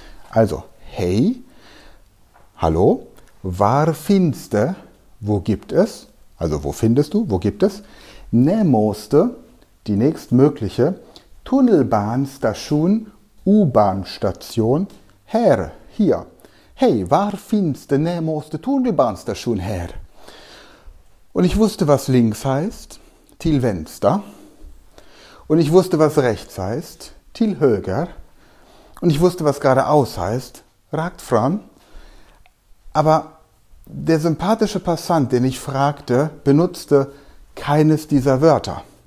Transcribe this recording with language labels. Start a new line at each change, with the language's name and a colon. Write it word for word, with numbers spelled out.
German: Also, hey, hallo,
Swedish: var finns det,
German: wo gibt es, also wo findest du, wo gibt es, närmaste, die nächstmögliche, Tunnelbahnstation, U-Bahn-Station, här, hier.
Swedish: Hey, var finns det närmaste Tunnelbahnstation här?
German: Und ich wusste, was links heißt,
Swedish: till vänster.
German: Und ich wusste, was rechts heißt,
Swedish: till höger.
German: Und ich wusste, was geradeaus heißt,
Swedish: rakt fram.
German: Aber der sympathische Passant, den ich fragte, benutzte keines dieser Wörter.